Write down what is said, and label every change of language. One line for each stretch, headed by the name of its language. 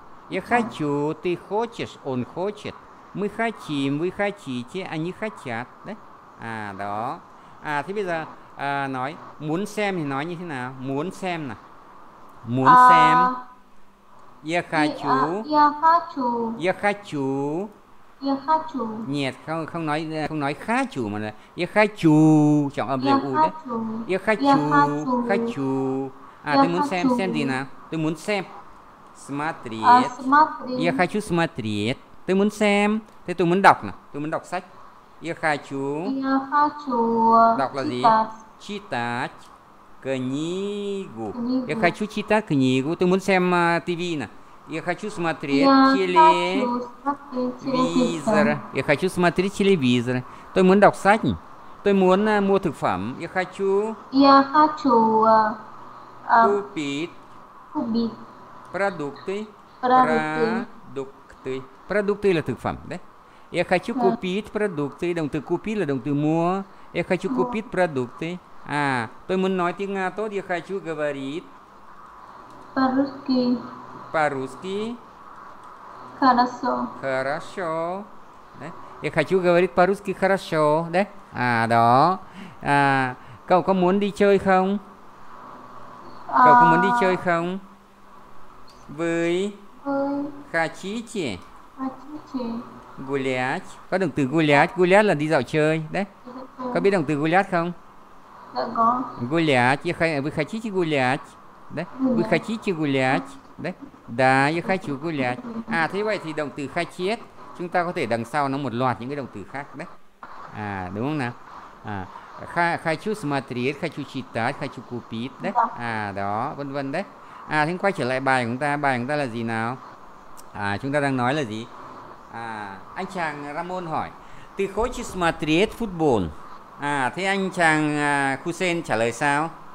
Russian: Я хочу, ты хочешь, он хочет. Мы хотим, вы хотите, они хотят, да?
Vietnamese: Đó. Thế bây giờ nói muốn xem thì nói như thế nào? Muốn xem nè. Muốn xem.
Russian: Я хочу. Я хочу. Я хочу. Я хочу. Нет,
Vietnamese: không nói хочу mà là
Russian: я хочу,
Vietnamese: trọng âm đều u đấy.
Russian: Я хочу. Я хочу.
Vietnamese: Tôi muốn xem gì nào? Tôi muốn xem.
Russian: Смотреть. Я хочу смотреть.
Vietnamese: Tôi muốn xem. Thế tôi muốn đọc nè. Tôi muốn đọc sách.
Russian: Я хочу. Я хочу.
Vietnamese: Đọc là gì?
Russian: Читать книгу. Я хочу читать книгу. Ты можешь
Vietnamese: xem TV nè.
Russian: Я хочу смотреть телевизор. Я хочу смотреть телевизор.
Vietnamese: Tôi muốn đọc sách. Tôi muốn mua thực phẩm.
Russian: Я хочу. Я хочу. Купить. Продукты. Продукты. Продукты
Vietnamese: là thực phẩm đấy.
Russian: Я хочу купить продукты.
Vietnamese: Động từ
Russian: купить
Vietnamese: là động từ mua.
Russian: Я хочу купить продукты.
Vietnamese: Tôi muốn nói tiếng Nga tốt.
Russian: Я хочу говорить. По-русски. По-русски. Хорошо. Хорошо.
Vietnamese: Đấy.
Russian: Я хочу говорить по-русски хорошо.
Vietnamese: Đấy. Đó. Cậu có muốn đi chơi không? Cậu có muốn đi chơi không? Với.
Russian: Хотите. Хотите. Гулять.
Vietnamese: Có động từ гулять. Гулять là đi dạo chơi. Đấy. Có biết động từ гулять không? Dạ có.
Russian: Гулять, я хочу, вы хотите гулять? Да? Вы хотите гулять? Да? Да, я хочу гулять.
Vietnamese: À thế vậy thì động từ
Russian: хотеть
Vietnamese: chúng ta có thể đằng sau nó một loạt những cái động từ khác đấy. À đúng không nào? À
Russian: хочу смотреть, хочу читать, хочу купить
Vietnamese: đấy. À đó, vân vân đấy. À thế quay trở lại bài của chúng ta, bài của chúng ta là gì nào? À chúng ta đang nói là gì? À anh chàng Ramon hỏi
Russian: ты хочешь смотреть футбол?
Vietnamese: À thế anh chàng Хусейн trả lời sao?